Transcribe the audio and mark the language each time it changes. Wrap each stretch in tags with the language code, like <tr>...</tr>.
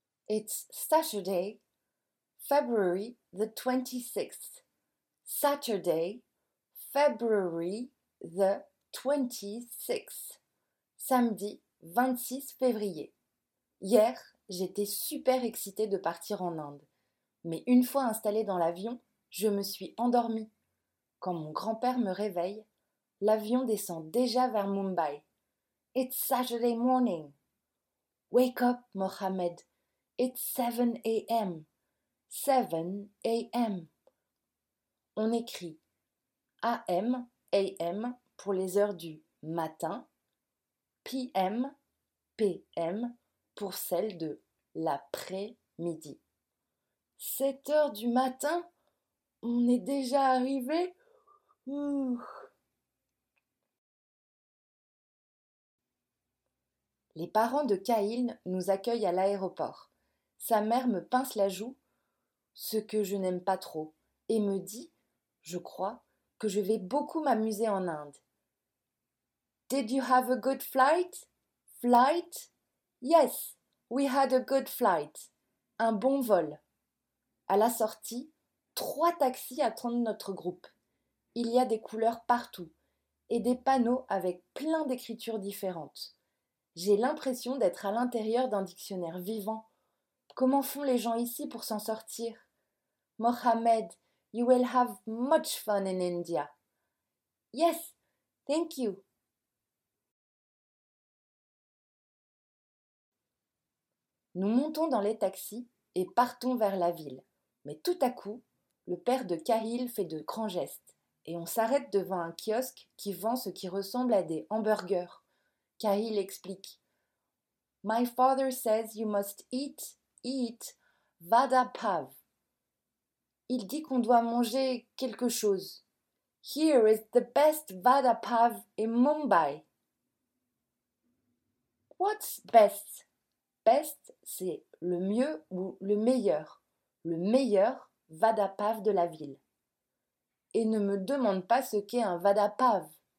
<en>It's Saturday, February the 26th. Saturday, February the 26th.</en> <fr>Samedi 26 février. Hier, j'étais super excitée de partir en Inde. Mais une fois installée dans l'avion, je me suis endormie. Quand mon grand-père me réveille, l'avion descend déjà vers Mumbai.</fr> <en>It's Saturday morning. Wake up, Mohammed. It's 7 a.m. 7 a.m.</en> <fr>On écrit a.m. a.m. pour les heures du matin, p.m. p.m. pour celles de l'après-midi. 7 heures du matin, on est déjà arrivé. Les parents de Cahil nous accueillent à l'aéroport. Sa mère me pince la joue, ce que je n'aime pas trop, et me dit, je crois, que je vais beaucoup m'amuser en Inde.</fr> <en>Did you have a good flight? Flight? Yes, we had a good flight.</en> <fr>Un bon vol. À la sortie, trois taxis attendent notre groupe. Il y a des couleurs partout et des panneaux avec plein d'écritures différentes. J'ai l'impression d'être à l'intérieur d'un dictionnaire vivant. Comment font les gens ici pour s'en sortir?</fr> <en>Mohammed, you will have much fun in India. Yes, thank you.</en> <fr>Nous montons dans les taxis et partons vers la ville. Mais tout à coup, le père de Cahil fait de grands gestes et on s'arrête devant un kiosque qui vend ce qui ressemble à des hamburgers. Cahil explique.</fr> <en>My father says you must eat, eat, vada pav.</en> <fr>Il dit qu'on doit manger quelque chose.</fr> <en>Here is the best vada pav in Mumbai. What's best?</en> <fr>Best, c'est le mieux ou le meilleur. Le meilleur vada pav de la ville. Et ne me demande pas ce qu'est un vada pav.</fr>